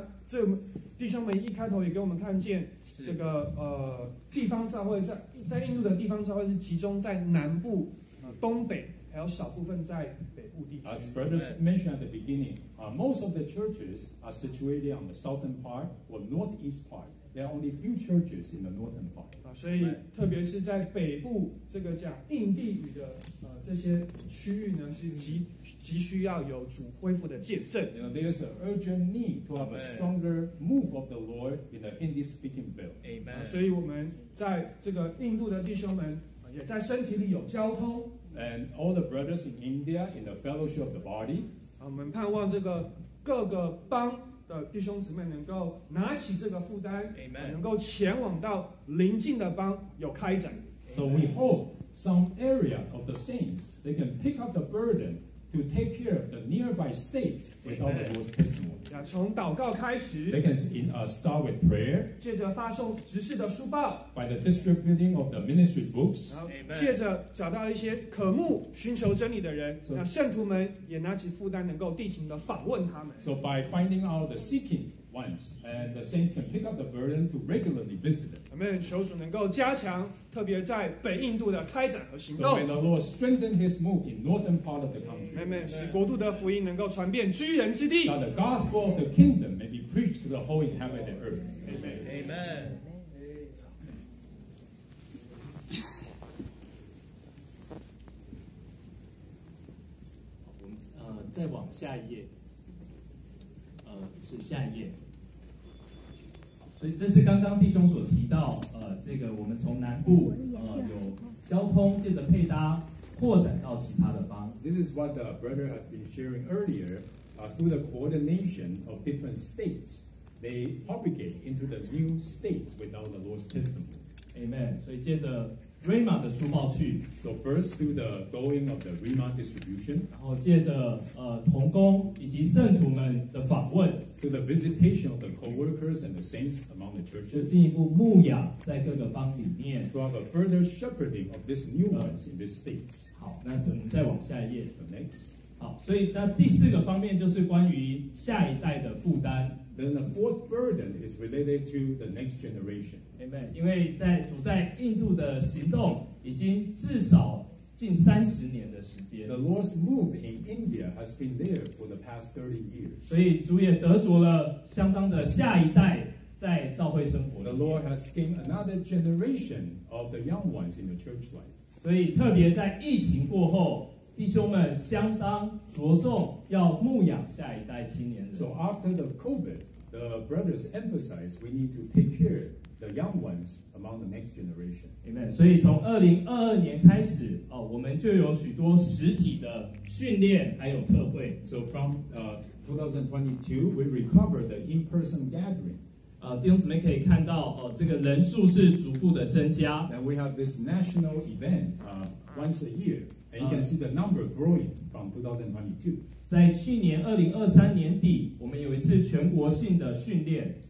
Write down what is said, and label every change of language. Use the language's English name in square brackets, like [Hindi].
[Chinese] OK, 那这弟兄们一开头也给我们看见这个地方教会在印度的地方教会是集中在南部、东北还有少部分在北部地区 [English] As brothers mentioned at the beginning, most of the churches are situated on the southern part or northeast part. There are only few churches in the northern part. [Chinese] 所以特别是在北部这个讲印地语的、这些区域呢是急需要有主恢复的见证。 [English] You know, there is an urgent need to have a stronger move of the Lord in the Hindi-speaking belt. Amen. [Chinese] 所以我们在这个印度的弟兄们也在身体里有交通。 [English] And all the brothers in India in the fellowship of the body. [Chinese] 我们盼望这个各个邦的弟兄姊妹能够拿起这个负担。 [English] Amen. [Chinese] 能够前往到邻近的邦有开展。 [English] So we hope some area of the saints, they can pick up the burden. To take care of the nearby states without the Lord's testimony. [Chinese] 从祷告开始 [English] They can start with prayer. [Chinese] 借着发送执事的书报 [English] By the distributing of the ministry books. [Chinese] 借着找到一些渴慕寻求真理的人 那圣徒们也拿起负担能够定情的访问他们 [English] So by finding out the seeking ones, and the saints can pick up the burden to regularly visit them. [Chinese] 求主能够加强特别在北印度的开展和行动 [English] So may the Lord strengthen his move in northern part of the country. Amen. [Chinese] 使国度的福音能够传遍居人之地 [English] That the gospel of the kingdom may be preached to the whole inhabited earth. Amen. Amen. Amen. [Chinese] 再往下一页是下一页所以这是刚刚弟兄所提到这个我们从南部有交通借着配搭扩展到其他的邦 [English] This is what the brother had been sharing earlier through the coordination of different states they propagate into the new states without the Lord's testimony [Chinese] Amen 所以借着 Rhema 的书报去 [English] So first through the going of the Rhema distribution [Chinese] 然后借着同工以及圣徒们的访问 [English] To the visitation of the co-workers and the saints among the churches. [Chinese] 进一步牧养在各个邦里面 [English] To have a further shepherding of these new ones in these states. [Chinese] 好，那我们再往下一页。 [English] The next. [Chinese] 好，所以那第四个方面就是关于下一代的负担。 [English] Then the fourth burden is related to the next generation. Amen. [Chinese] 因为在主在印度的行动已经至少近三十年的时间 [English] The Lord's move in India has been there for the past 30 years. [Chinese] 所以主也得着了相当的下一代在教会生活 [English] The Lord has gained another generation of the young ones in the church life. [Chinese] 所以特别在疫情过后弟兄们相当着重要牧养下一代青年人 [English] So after the COVID, the brothers emphasize we need to take care the young ones among the next generation. Amen. [Chinese] 所以从2022年开始、我们就有许多实体的训练还有特会。 [English] So from 2022, we recovered the in-person gathering. [Chinese] 弟兄姊妹可以看到、这个人数是逐步的增加。 [English] And we have this national event once a year. And you can see the number growing from 2022. [Chinese] 在去年2023年底我们有一次全国性的训练。